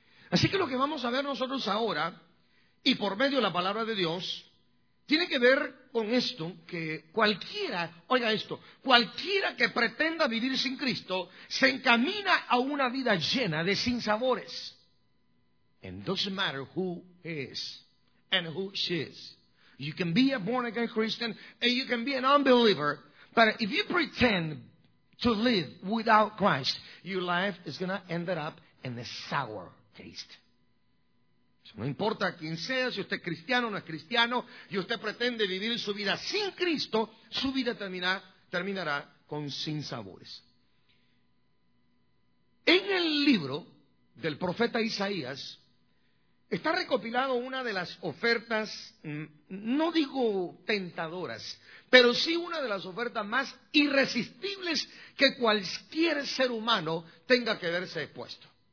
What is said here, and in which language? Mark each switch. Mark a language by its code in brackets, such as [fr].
[es] Así que lo que vamos a ver nosotros ahora, y por medio de la palabra de Dios, tiene que ver con esto, que cualquiera, oiga esto, cualquiera que pretenda vivir sin Cristo, se encamina a una vida llena de sinsabores. [en] And doesn't matter who he is and who she is. You can be a born again Christian and you can be an unbeliever, but if you pretend to live without Christ, your life is going to end up in a sour taste. [es] No importa quién sea, si usted es cristiano o no es cristiano, y usted pretende vivir su vida sin Cristo, su vida terminará con sinsabores. En el libro del profeta Isaías está recopilado una de las ofertas, no digo tentadoras, pero sí una de las ofertas más irresistibles que cualquier ser humano tenga que verse expuesto.